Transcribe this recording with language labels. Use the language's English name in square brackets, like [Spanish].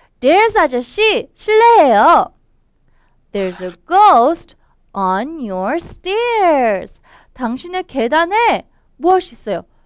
[Korean] Dares 아저씨, 실례해요. [English] There's a ghost on your stairs. [Korean] 당신의 계단에 무엇이 있어요?